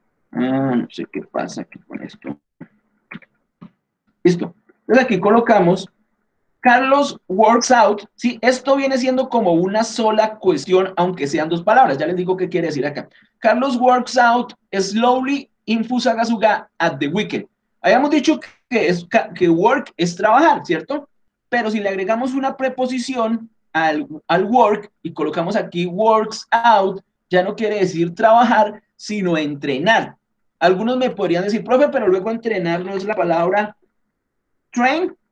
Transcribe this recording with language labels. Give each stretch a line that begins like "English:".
Spanish: No sé qué pasa aquí con esto. Listo. Entonces aquí colocamos
English: Carlos works out,
Spanish: sí, esto viene siendo como una sola cuestión, aunque sean dos palabras, ya les digo qué quiere decir acá.
English: Carlos works out slowly in Fusagasugá at the weekend.
Spanish: Habíamos dicho que work es trabajar, ¿cierto? Pero si le agregamos una preposición al work y colocamos aquí works out, ya no quiere decir trabajar, sino entrenar. Algunos me podrían decir, profe, pero luego entrenar no es la palabra train.